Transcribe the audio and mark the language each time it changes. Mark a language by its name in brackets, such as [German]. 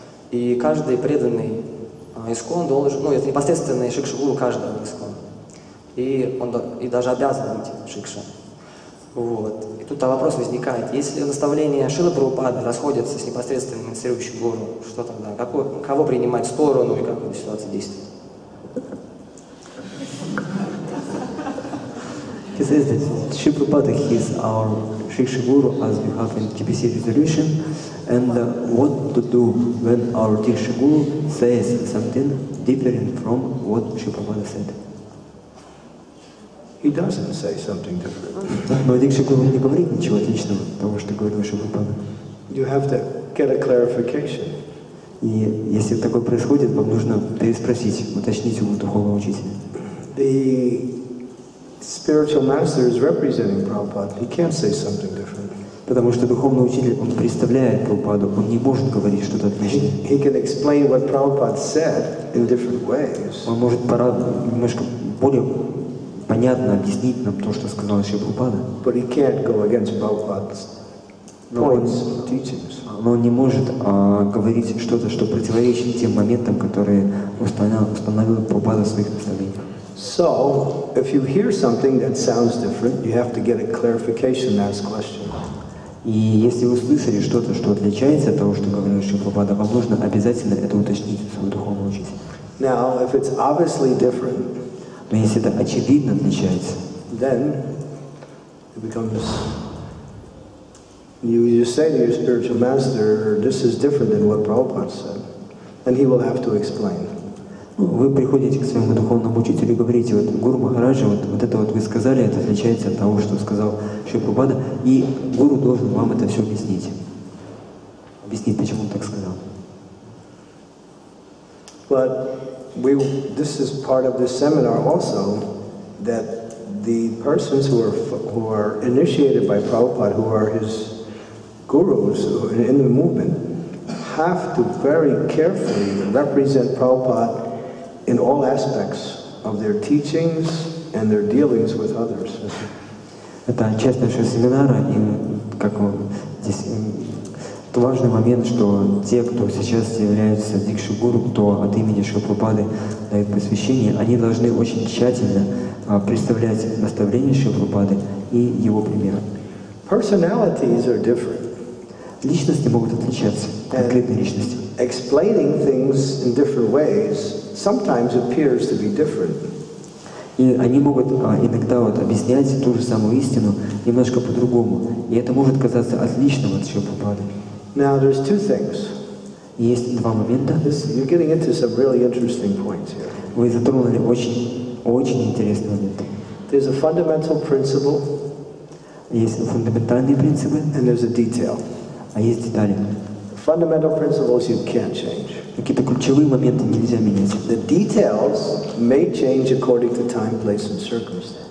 [Russian] И каждый преданный ИСКОН должен, ну это непосредственный Шикша Гуру каждого ИСКОН. И даже обязан быть Шикша. Вот. И тут вопрос возникает, если наставления Шрилы Прабхупады расходятся с непосредственным инициирующим гуру, что тогда? Кого принимать в сторону и как в этой ситуации действовать? [English] He says that Shri Prabhupada is our Shiksha Guru as we have in TPC resolution. And what to do when our Shiksha Guru says something different from what Shri Prabhupada said? He doesn't say something different. [Russian] Но Дикша Гуру не говорит ничего отличного от того, что говорил Шрила Прабхупада. [English] You have to get a clarification. [Russian] И если такое происходит, вам нужно переспросить, уточнить у духовного учителя. [English] The spiritual master is representing Prabhupada. He can't say something different. [Russian] Потому что духовный учитель, он представляет Прабхупаду, он не может говорить что-то отличное. [English] He can explain what Prabhupada said in different ways. [Russian] Он может немножко более понятно объяснить нам то, что сказал Шри Прабхупада. [English] But he can't go against Prabhupada's points and teachings. [Russian] Но он не может говорить что-то, что противоречит тем моментам, которые установил Прабхупада в своих наставлениях. [English] So, if you hear something that sounds different, you have to get a clarification and ask questions. [Russian] И если вы слышали что-то, что отличается от того, что говорил Шри Прабхупада, вам нужно обязательно это уточнить у своего духовного учителя. [English] Now, if it's obviously different, [Russian] но если это очевидно отличается, [English] then it becomes, you say to your spiritual master, this is different than what Prabhupada said, and he will have to explain. [Russian] Вы приходите к своему духовному учителю и говорите, вот Гуру Махараджа, вот это вот вы сказали, это отличается от того, что сказал Шри Прабхупада, и Гуру должен вам это все объяснить. Объяснить, почему он так сказал. [English] But we, this is part of the seminar also, that the persons who are initiated by Prabhupada, who are his gurus in the movement, have to very carefully represent Prabhupada in all aspects of their teachings and their dealings with others. [Russian] Это часть нашего семинара, и как он здесь, то важный момент, что те, кто сейчас являются дикши гуру, кто от имени Шри Прабхупады дает посвящение, они должны очень тщательно представлять наставления Шри Прабхупады и его пример. [English] Personalities are different. [Russian] Личности могут отличаться, конкретные личности. [English] Explaining things in different ways sometimes appears to be different. [Russian] И они могут иногда вот объяснять ту же самую истину немножко по-другому. И это может казаться отличным от Шри Прабхупады. [English] Now there's two things. [Russian] Есть два момента. [English] You're getting into some really interesting points here. [Russian] Вы затронули очень интересный момент. [English] There's a fundamental principle. [Russian] Есть фундаментальные принципы. [English] And there's a detail. [Russian] А есть детали. [English] Fundamental principles you can't change. [Russian] Какие-то ключевые моменты нельзя менять. [English] The details may change according to time, place, and circumstance.